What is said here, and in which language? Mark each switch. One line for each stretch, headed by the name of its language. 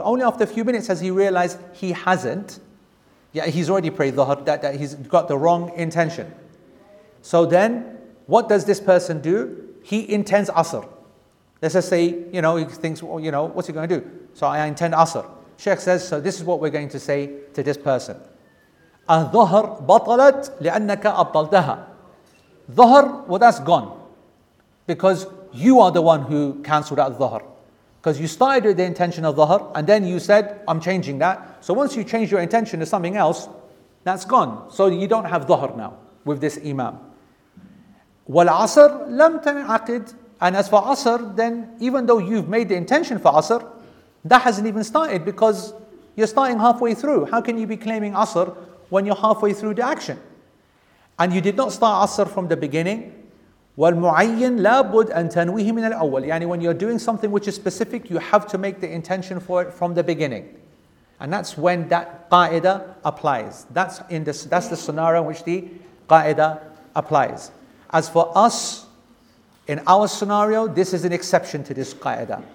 English: Only after a few minutes has he realized he hasn't. Yeah, he's already prayed dhuhr, that he's got the wrong intention. So then, what does this person do? He intends asr. Let's just say, you know, he thinks, well, you know, what's he going to do? So I intend asr. Sheikh says, so this is what we're going to say to this person.
Arabic: الظهر بطلت لأنك أبطلتها.
English: ظهر, well, that's gone. Because you are the one who cancelled out الظهر. Because you started with the intention of ظهر, and then you said, I'm changing that. So once you change your intention to something else, that's gone. So you don't have ظهر now with this imam.
Arabic: والعصر لم تنعقد.
English: And as for asr, then even though you've made the intention for asr, that hasn't even started because you're starting halfway through. How can you be claiming asr when you're halfway through the action? And you did not start asr from the beginning.
Arabic: والمعين لابد أن تنويه من الأول.
English: يعني when you're doing something which is specific, you have to make the intention for it from the beginning. And that's when that qaida applies. That's the scenario in which the qaida applies. As for us, in our scenario, this is an exception to this qaida.